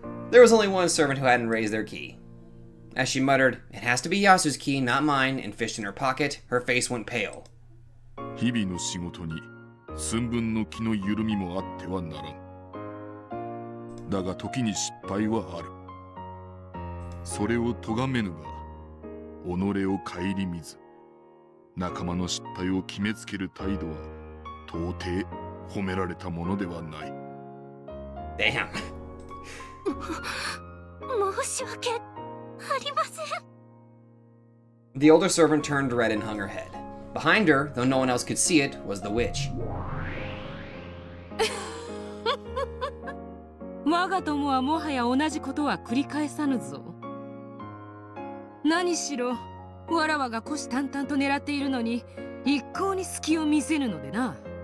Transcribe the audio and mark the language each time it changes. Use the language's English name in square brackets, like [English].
[English] There was only one servant who hadn't raised their key. As she muttered, "It has to be Yasu's key, not mine," and fished in her pocket, her face went pale. [Japanese] 日々の仕事に寸分の気の緩みもあってはならん。だが時に失敗はある。それを咎めぬが、己を顧みず、仲間の失敗を決めつける態度は、到底褒められたものではない。 [English] Damn! [Japanese] 申し訳ありません。 [English] The older servant turned red and hung her head. Behind her, though no one else could see it, was the witch. [Japanese] 我が友はもはや同じことは繰り返さぬぞ。何しろ、わらわが虎視眈々と狙っているのに、一向に隙を見せぬのでな。